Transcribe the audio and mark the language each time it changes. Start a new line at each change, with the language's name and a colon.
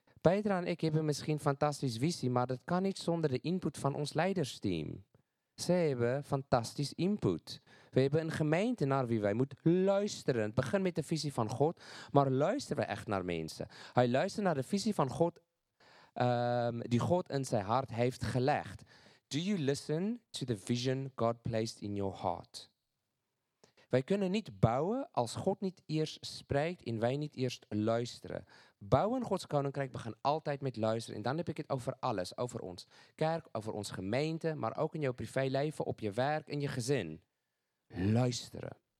Dutch: Peter en ik hebben misschien fantastisch visie, maar dat kan niet zonder de input van ons leidersteam. Zij hebben fantastisch input. We hebben een gemeente naar wie wij moeten luisteren. Het begint met de visie van God, maar luisteren we echt naar mensen? Hij luistert naar de visie van God, die God in zijn hart heeft gelegd.
English: Do you listen to the vision God placed in your heart?
Dutch: Wij kunnen niet bouwen als God niet eerst spreekt en wij niet eerst luisteren. Bouwen Gods Koninkrijk begint altijd met luisteren. En dan heb ik het over alles. Over ons kerk, over ons gemeente, maar ook in jouw privéleven, op je werk, in je gezin. Luisteren.